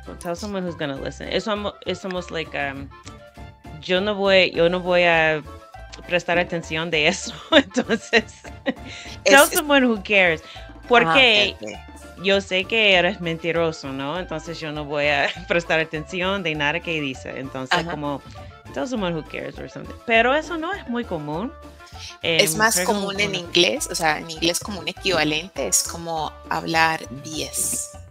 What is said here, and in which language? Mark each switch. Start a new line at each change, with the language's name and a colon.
English: Tell someone who's gonna listen. It's almost like,
Spanish: yo no voy a prestar atención de eso. Entonces,
English: tell someone who cares.
Spanish: Porque yo sé que eres mentiroso, ¿no? Entonces, yo no voy a prestar atención de nada que dice. Entonces, como,
English: tell someone who cares or something.
Spanish: Pero eso no es muy común. Es más común en inglés. O sea, en inglés como un equivalente es como hablar BS.